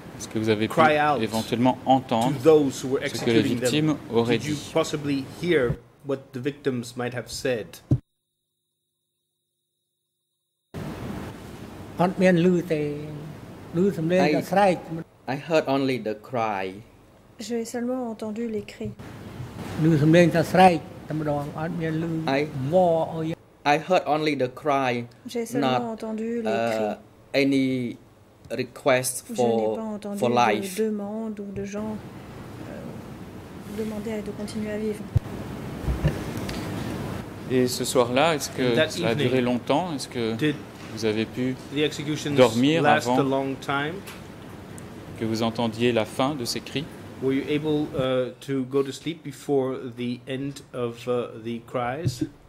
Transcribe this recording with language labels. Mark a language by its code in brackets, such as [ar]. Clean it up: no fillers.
[fr] Est-ce que vous avez pu éventuellement entendre ce que les victimes auraient dit? [en] Did you possibly hear what the victims might have said? I heard only the cry. [fr] J'ai seulement entendu les cris. [en] I heard only the cry. [fr] J'ai seulement entendu les cris. [en] Any request for life. [fr] Je n'ai pas entendu de demande ou de gens demander de continuer à vivre. Et ce soir-là, est-ce que ça a duré longtemps? Est-ce que vous avez pu dormir avant que vous entendiez la fin de ces cris? [en] Were you able to go to sleep before the end of the cries?